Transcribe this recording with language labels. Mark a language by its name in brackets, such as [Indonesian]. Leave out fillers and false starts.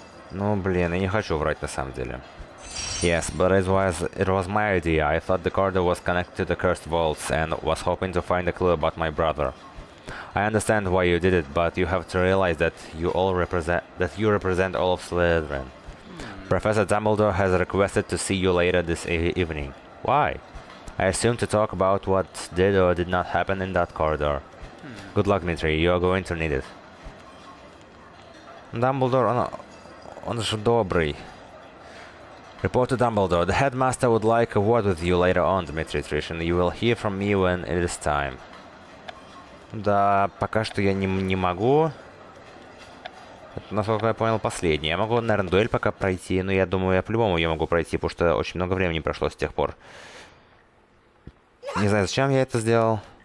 [Russian] Ну, блин, я не хочу врать на самом деле. [English] Yes, but it was my idea. I thought the corridor was connected to the cursed vaults and was hoping to find a clue about my brother. I understand why you did it, but you have to realize that you represent all of Slytherin. Professor Dumbledore has requested to see you later this evening. Why? I assume to talk about what did or did not happen in that corridor. Good luck, Dmitri. You are going to need it. [Russian] Dumbledore, он же добрый. [English] Report to Dumbledore. The headmaster would like a word with you later on, Dmitri Trishin. You will hear from me when it is time. [Russian] Да, пока что я не могу. Это, насколько я понял, последний. Я могу, наверное, дуэль пока пройти, но я думаю, я по-любому ее могу пройти, потому что очень много времени прошло с тех пор. Не знаю, зачем я это сделал.